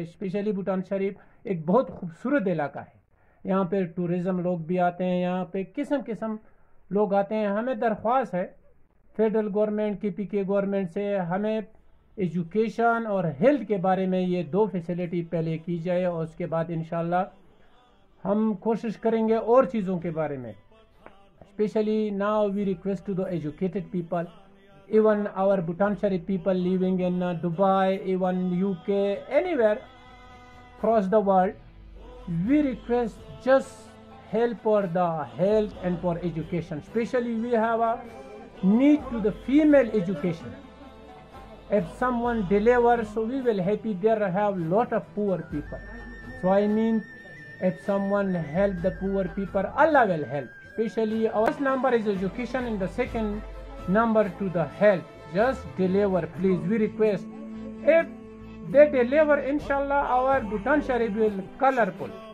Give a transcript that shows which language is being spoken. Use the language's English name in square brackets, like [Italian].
[Urdu] Especially Bhutan شریف ایک بہت خوبصورت علاقہ ہے, یہاں پہ ٹوریزم لوگ بھی آتے ہیں, یہاں پہ قسم قسم لوگ آتے ہیں. ہمیں درخواست ہے فیڈرل گورنمنٹ کے پی کے گورنمنٹ سے ہمیں ایجوکیشن اور ہیلتھ کے بارے میں یہ دو فیسلٹی پہلے کی جائے, اور اس کے بعد انشاءاللہ ہم کوشش کریں گے اور چیزوں کے بارے میں. [English] Especially now we request to the educated people, even our Bhutan Sharif people living in Dubai, even U K, anywhere across the world, we request just help for the health and for education. Especially we have a need to the female education. If someone delivers, so we will happy. There have lot of poor people, so I mean if someone help the poor people, Allah will help. Especially our first number is education and the second number to the health. Just deliver, please. We request. If they deliver, inshallah our Bhutan Sharif will colorful.